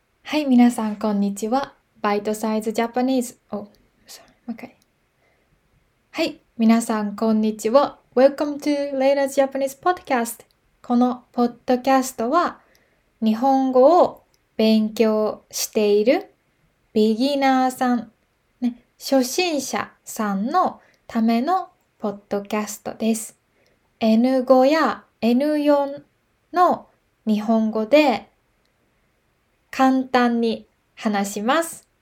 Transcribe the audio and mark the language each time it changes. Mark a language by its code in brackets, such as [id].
[ja] はい、皆さん、こんにちは。バイトサイズジャパニーズ。お、 [en] sorry, okay. [ja] はい、皆さん、こんにちは。 [en] Welcome to Leila's Japanese Podcast. [ja] このポッドキャストは、日本語を勉強しているビギナーさん、ね、初心者さんのためのポッドキャストです。 N5 や N4 の日本語で、簡単に話します。